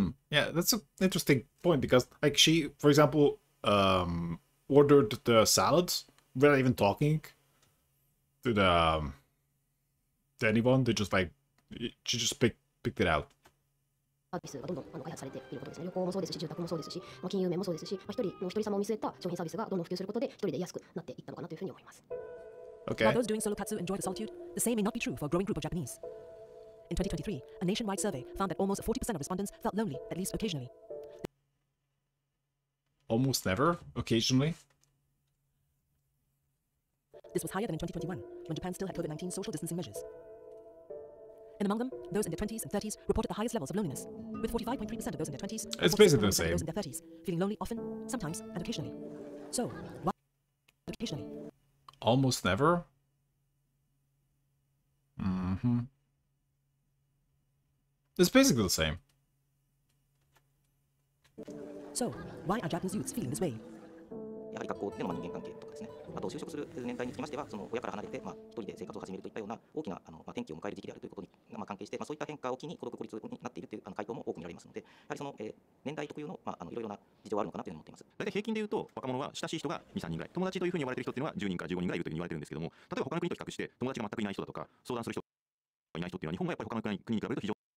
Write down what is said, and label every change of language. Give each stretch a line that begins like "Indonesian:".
English: Yeah, that's an interesting point because, like, she, for example, ordered the salads without even talking to to anyone. They just, like, she just picked it out.
Japanese: サービスがどんどん開発されていることですね。旅行もそうですし、住宅もそうですし、金融面もそうですし、まあ、一人様を見据えた商品サービスがどんどん普及することで、一人で安くなっていったのかなというふうに思います。
English: Okay. While those doing solo katsu enjoy the solitude, the same may not be true for a growing group of Japanese. In 2023, a nationwide survey found that almost 40% of respondents felt lonely, at least occasionally. Almost never? Occasionally? This was higher than in 2021, when Japan still had COVID-19 social distancing measures. And among them, those in their 20s and 30s reported the highest levels of loneliness, with 45.3% of those in their 20s, It's basically the same. Those in their 30s, feeling lonely often, sometimes, and occasionally. So, why occasionally? Almost never? It's basically the same. So, why are Japanese youths feeling this way?
Japanese: やはり学校での人間関係とかですね。あと就職する年代につきましては、その親から離れて、まあ、一人で生活を始めるといったような大きな転機を迎える時期であるということに、まあ、関係して、まあ、そういった変化を機に孤独孤立になっているという回答も多く見られますので、やはりその、年代特有の、まあ、いろいろな事情があるのかなというふうに思っています。大体平均でいうと、若者は親しい人が2、3人ぐらい、友達というふうに呼ばれている人というのは10人か15人ぐらいいるというふうに言われているんですけども、例えば他の国と比較して、友達が全くいない人だとか、相談する人がいない人というのは、日本はやっぱり他の国に比べると非常に